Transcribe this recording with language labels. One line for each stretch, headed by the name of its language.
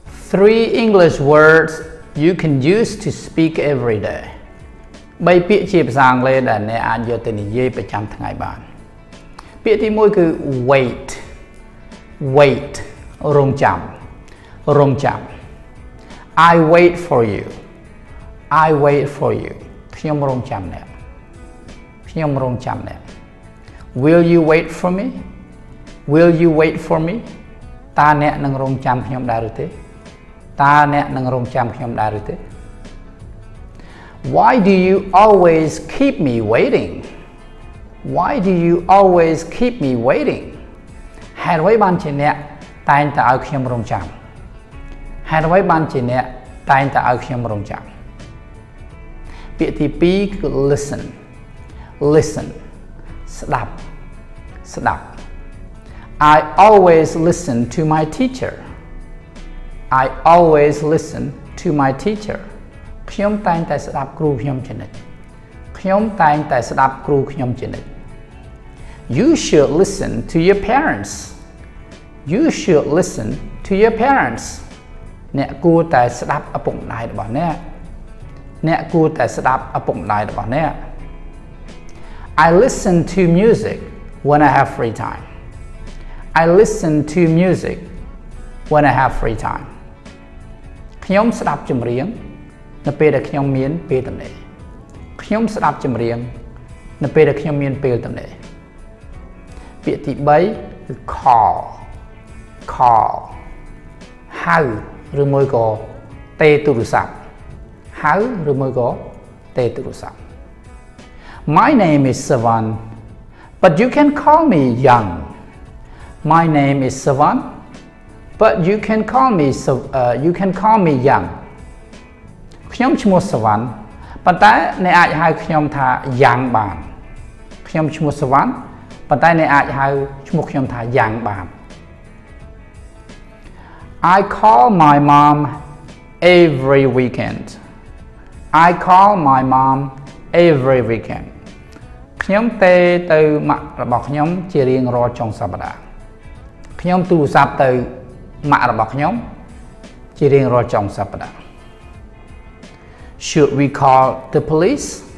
English: Three English words you can use to speak every day.
Khmer: បីពាក្យជាភាសាអង់គ្លេសដែលអ្នកអាចយកទៅនិយាយប្រចាំថ្ងៃបាន ពាក្យទី1គឺ wait. Wait. រង់ចាំ រង់ចាំ
English: I wait for you. I wait for you.
Khmer: ខ្ញុំរង់ចាំអ្នក ខ្ញុំរង់ចាំអ្នក
English: Will you wait for me? Will you wait for me?
Khmer: តើអ្នកនឹងរង់ចាំខ្ញុំដែរឬទេ? តើអ្នកនឹងរង់ចាំខ្ញុំដែរឬទេ?
English: Why do you always keep me waiting? Why do you always keep me waiting?
Khmer: ហេតុអ្វីបានជាអ្នកតែងតែឲ្យខ្ញុំរង់ចាំ? ហេតុអ្វីបានជាអ្នកតែងតែឲ្យខ្ញុំរង់ចាំ? ពាក្យទី2គឺ listen.
English: Listen.
Khmer: ស្ដាប់ ស្ដាប់
English: I always listen to my teacher. I always listen to my teacher.
Khmer: ខ្ញុំតែងតែស្ដាប់គ្រូខ្ញុំជានិច្ច. ខ្ញុំតែងតែស្ដាប់គ្រូខ្ញុំជានិច្ច.
English: You should listen to your parents. You should listen to your parents.
Khmer: អ្នកគួរតែស្ដាប់ឪពុកម្ដាយរបស់អ្នក. អ្នកគួរតែស្ដាប់ឪពុកម្ដាយរបស់អ្នក.
English: I listen to music when I have free time. I listen to musicWhen I have free time.
Khmer: ខ្ញុំស្ដាប់ចម្រៀងនៅពេលដែលខ្ញុំមានពេលទំនេរ. ខ្ញុំស្ដាប់ចម្រៀងនៅពេលដែលខ្ញុំមានពេលទំនេរ. ពាក្យទី3គឺ call. Call. ហៅឬមួយក៏ទេទូរស័ព្ទ. ហៅឬមួយក៏ទេទូរស័ព្ទ.
English: My name is Savan, but you can call me Young. My name is Savan. But you can call me you can call me Yang.
Khmer: ខ្ញុំឈ្មោះសវណ្ណប៉ុន្តែអ្នកអាចហៅខ្ញុំថា Yang បាន. ខ្ញុំឈ្មោះសវណ្ណប៉ុន្តែអ្នកអាចហៅឈ្មោះខ្ញុំថា Yang បាន.
English: I call my mom every weekend. I call my mom every weekend.
Khmer: ខ្ញុំទៅទៅម៉ាក់របស់ខ្ញុំជារៀងរាល់ចុងសប្តាហ៍. ខ្ញុំទូរស័ព្ទទៅម៉ាក់របស់ខ្ញុំជារៀងរាល់ចុងសប្តាហ៍
English: Should we call the police?